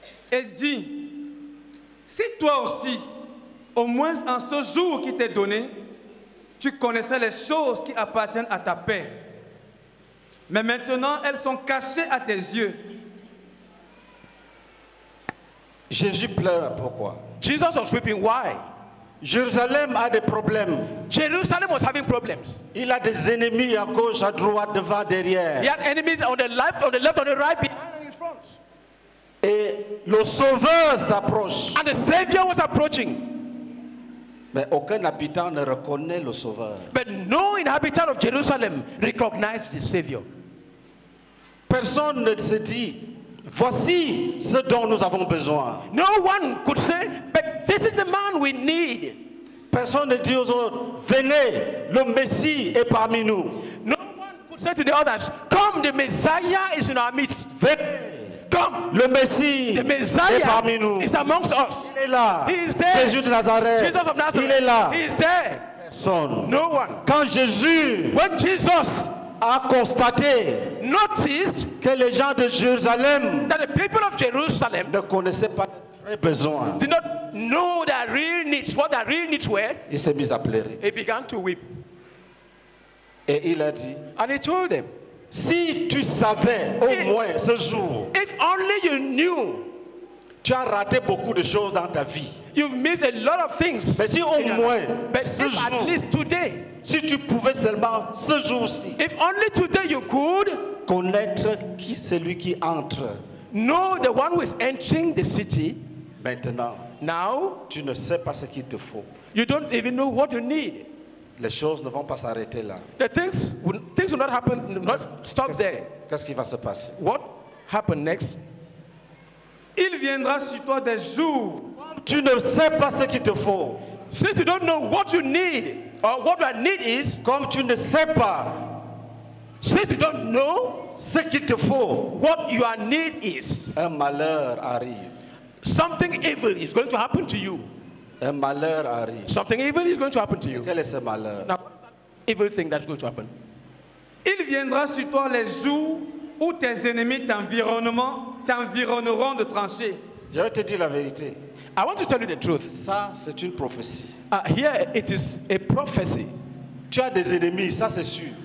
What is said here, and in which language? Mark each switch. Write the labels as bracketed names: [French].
[French] Et dit, si toi aussi, au moins en ce jour qui t'est donné, tu connaissais les choses qui appartiennent à ta paix, mais maintenant elles sont cachées à tes yeux. Jésus pleure, pourquoi? [English] Jesus was weeping, why? [French] Jérusalem a des problèmes. [English] Jerusalem was having problems. [French] Il a des ennemis à gauche, à droite, devant, derrière. [English] He had enemies on the left, on the right, behind, and in front. [French] Et le Sauveur s'approche. [English] And the Savior was approaching. [French] Mais aucun habitant ne reconnaît le Sauveur. [English] But no inhabitant of Jerusalem recognized the Savior. [French] Personne ne se dit, voici ce dont nous avons besoin. [English] No one could say, but this is the man we need. [French] Personne ne dit aux autres, venez, le Messie est parmi nous. [English] No one could say to the others, come, the Messiah is in our midst. [French] Venez, [English] come, [French] le Messie, [English] the Messiah [French] est parmi nous. [English] Is amongst us. [French] Il est là. [English] He is there. [French] Jésus de Nazareth. [English] Jesus of Nazareth. [French] Il est là. [English] He is there. [French] Personne. [English] No one. [French] Quand Jésus, [English] when Jesus [French] a constaté, [English] noticed, [French] que les gens de Jérusalem, [English] that the people of Jerusalem, [French] ne connaissaient pas leurs besoins, [English] did not know their real needs, what their real needs were, [French] il s'est mis à pleurer. [English] He began to weep. [French] Et il a dit, [English] and he told them, [French] si tu savais au moins ce jour, [English] if only you knew, [French] tu as raté beaucoup de choses dans ta vie, [English] you've missed a lot of things, [French] mais si au moins ce jour, [English] at least today, [French] si tu pouvais seulement ce jour-ci, [English] if only today you could, [French] connaître qui celui qui entre, [English] know the one who is entering the city, [French] maintenant, [English] now, [French] tu ne sais pas ce qu'il te faut, [English] you don't even know what you need, [French] les choses ne vont pas s'arrêter là, [English] the things will not happen, not stop [French] qu'est-ce [English] there, [French] qu'est-ce qui va se passer, [English] what happened next, [French] viendra sur toi des jours. Tu ne sais pas ce qu'il te faut. [English] Since you don't know what you need, or what I need is, [French] comme tu ne sais pas, [English] since you don't know [French] ce qu'il te faut, [English] what your need is, [French] un malheur arrive. [English] Something evil is going to happen to you. [French] Un malheur arrive. [English] Something evil is going to happen to you. [French] Quel est ce malheur? [English] Now, evil thing that's going to happen. [French] Il viendra sur toi les jours où tes ennemis t'environneront de tranchées. Je vais te dire la vérité. [English] I want to tell you the truth. [French] Ça, c'est une prophétie. [English] Here it is a prophecy. [French] Tu as des ennemis, ça c'est sûr.